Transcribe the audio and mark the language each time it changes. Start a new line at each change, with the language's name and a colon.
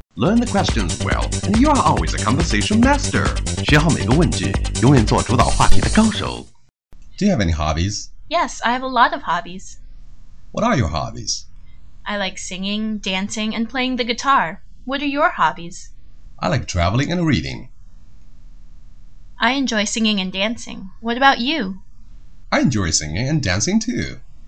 English: Learn the questions well, and you are always a conversation master.
Chinese: 学好每个问句，永远做主导话题的高手。
English: Do you have any hobbies? Yes, I have a lot of hobbies. What are your hobbies? I like singing, dancing, and playing the guitar. What are your hobbies? I like traveling and reading. I enjoy singing and dancing. What about you? I enjoy singing and dancing too.